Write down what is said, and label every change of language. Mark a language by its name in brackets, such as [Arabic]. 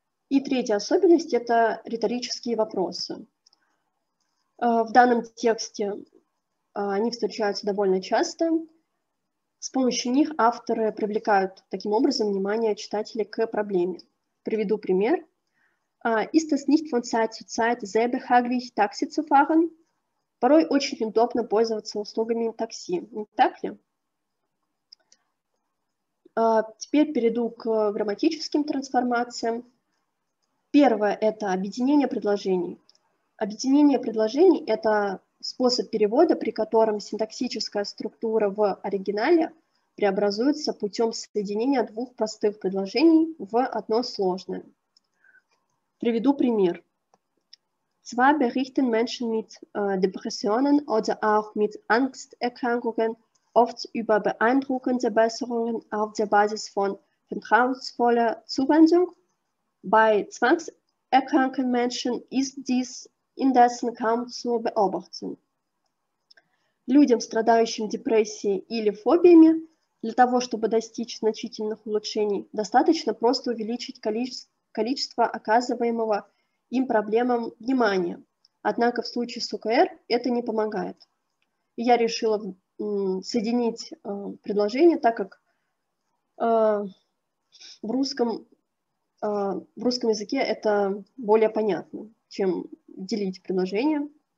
[Russian] И третья особенность – это риторические вопросы. В данном тексте они встречаются довольно часто. С помощью них авторы привлекают таким образом внимание читателя к проблеме. Приведу пример. [German] Ist es nicht von Zeit zu Zeit sehr behaglich, Taxi zu fahren? [Russian] порой очень удобно пользоваться услугами такси, не так ли? Теперь перейду к грамматическим трансформациям. Первое – это объединение предложений. Объединение предложений – это способ перевода, при котором синтаксическая структура в оригинале преобразуется путем соединения двух простых предложений в одно сложное. Приведу пример. [German] Zwei berichten Menschen mit Depressionen oder auch mit Angsterkrankungen oft über beeindruckende Besserungen auf der Basis von vertrauensvoller Zuwendung. Bei zwangserkrankten Menschen ist dies indessen kaum zu beobachten. [Russian] Людям, страдающим депрессией или фобиями, для того, чтобы достичь значительных улучшений, достаточно просто увеличить количество оказываемого им проблемам внимания. Однако в случае с ОКР это не помогает. И я решила соединить предложение, так как в русском языке это более понятно, чем делить предложение.